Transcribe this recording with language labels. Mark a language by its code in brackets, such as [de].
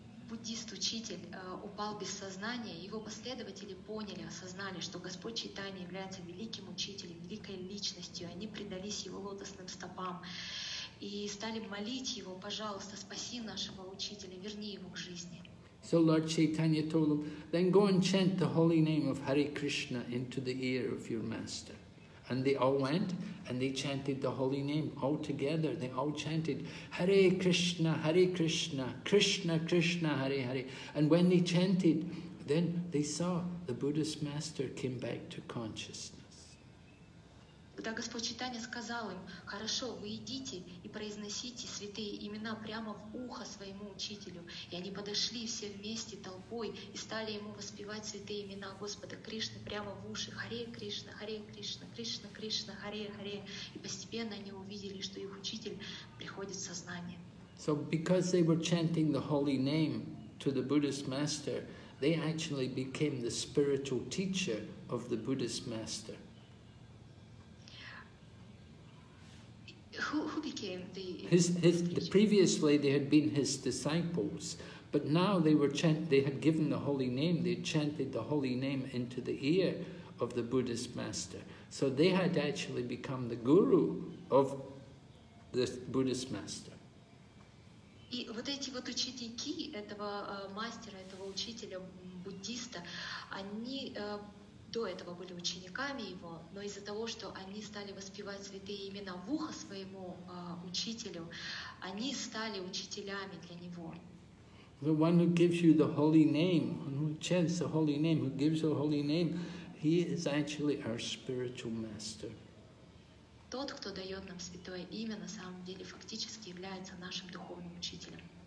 [ru] Буддист-учитель упал без сознания, его последователи поняли, осознали, что Господь Чайтанья является великим учителем, великой личностью, они предались его лотосным стопам и стали молить его, пожалуйста, спаси нашего учителя, верни его к жизни. [en] So Lord Chaitanya told them, then go and chant the holy name of Hare Krishna into the ear of your master. And they all went and they chanted the holy name all together. They all chanted Hare Krishna, Krishna Krishna, Hare Hare. And when they chanted, then they saw the Buddhist master came back to consciousness. [ru] Когда Господь Читания сказал им: «Хорошо, вы идите и произносите святые имена прямо в ухо своему учителю». И они подошли все вместе толпой и стали ему воспевать святые имена Господа Кришны прямо в уши. «Харе Кришна, Харе Кришна, Кришна Кришна, Харе Харе». И постепенно они увидели, что их учитель приходит в сознание. [en] So because they were chanting the holy name to the Buddhist master, they actually became the spiritual teacher of the Buddhist master. Who became the... The previously they had been his disciples, but now they had given the holy name, they chanted the holy name into the ear of the Buddhist master. So they had actually become the guru of the Buddhist master. [ru] И вот эти вот ученики этого мастера, этого учителя, буддиста, они до этого были учениками его, но из-за того, что они стали воспевать святые имена в ухо своему учителю, они стали учителями для него. [en] The one who gives you the holy name, who chants the holy name, who gives the holy name, he is actually our spiritual master. [ru] Тот, кто дает нам святое имя, на самом деле фактически является нашим духовным учителем.